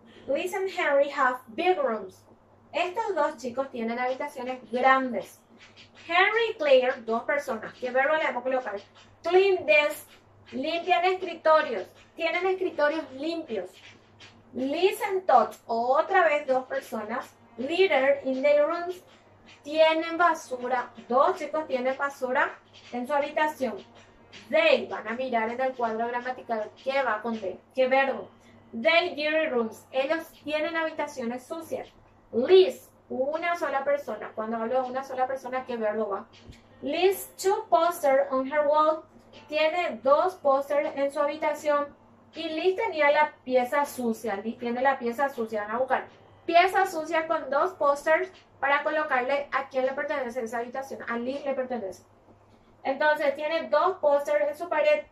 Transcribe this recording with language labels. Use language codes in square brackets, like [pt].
[en] Liz and Henry have big rooms. [es] Estos dos chicos tienen habitaciones grandes. Henry y Claire, dos personas. ¿Qué verbo le vamos a colocar? [en] Clean desk. [es] Limpian escritorios. Tienen escritorios limpios. Liz and Todd, otra vez dos personas. [en] Litter in their rooms. [es] Tienen basura. Dos chicos tienen basura en su habitación. They, van a mirar en el cuadro gramatical. ¿Qué va con they? ¿Qué verbo? [en] They dirty rooms. [es] Ellos tienen habitaciones sucias. Liz, una sola persona. Cuando hablo de una sola persona, ¿qué verbo va? [en] Liz, two posters on her wall. [es] Tiene dos posters en su habitación. Y Liz tenía la pieza sucia. Liz tiene la pieza sucia. Van a buscar pieza sucia con dos posters para colocarle a quién le pertenece esa habitación. A Liz le pertenece. Entonces, tiene dos posters en su pared.